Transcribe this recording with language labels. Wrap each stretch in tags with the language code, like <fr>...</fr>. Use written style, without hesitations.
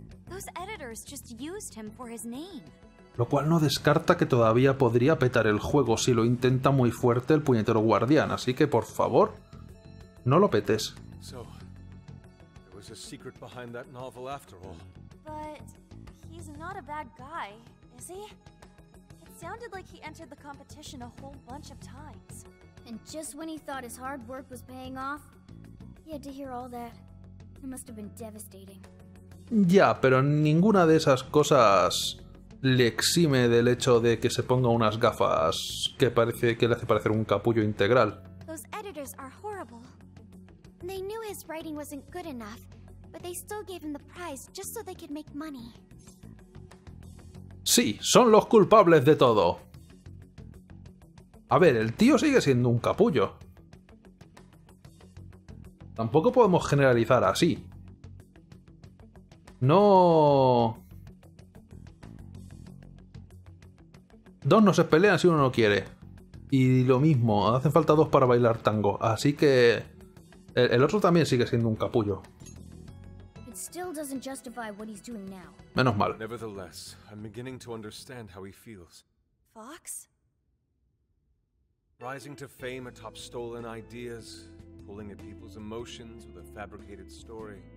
<en>Those editors just used him for his name.</en> <es>Lo cual no descarta que todavía podría petar el juego si lo intenta muy fuerte el puñetero guardián, así que por favor, no lo petes.</es> <en>So, there was a secret behind that novel after all. But he's not a bad guy, is he? It sounded like he entered the competition a whole bunch of times. And just when he thought his hard work was paying off, he had to hear all that. It must have been devastating.</en> <es>Ya, pero ninguna de esas cosas le exime del hecho de que se ponga unas gafas que parece que le hace parecer un capullo integral.</es> <en>Those editors are horrible. They knew his writing wasn't good enough, but they still gave him the prize just so they could make money.</en> <es>Sí, son los culpables de todo. A ver, el tío sigue siendo un capullo. Tampoco podemos generalizar así. No. Dos no se pelean si uno no quiere. Y lo mismo, hacen falta dos para bailar tango. Así que... El otro también sigue siendo un capullo.</es> <en>It still doesn't justify what he's doing now.</en> <es>Menos mal.</es> <en>Nevertheless, I'm beginning to understand how he feels. Fox? Rising to fame atop stolen ideas, pulling at people's emotions with a fabricated story.</en>